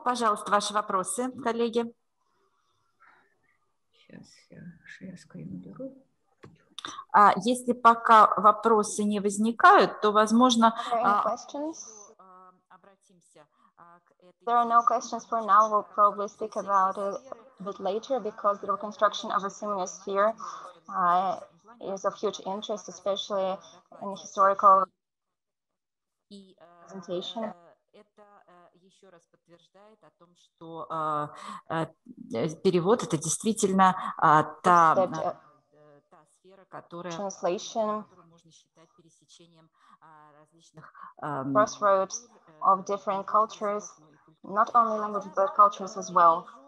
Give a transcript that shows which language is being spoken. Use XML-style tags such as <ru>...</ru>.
<ru>Пожалуйста, ваши вопросы, коллеги. Сейчас я шерстку им беру. А если пока вопросы не возникают, то, возможно, обратимся к этой...</ru> <en>There are no questions for now. We'll probably speak about it a bit later, because the reconstruction of a similar sphere is of huge interest, especially in historical presentation.</en> <ru>Еще раз подтверждает о том, что перевод это действительно та сфера, которая</ru> <en>translation,</en> <ru>можно считать пересечением различных</ru> <en>crossroads of different cultures, not only languages but cultures as well.</en>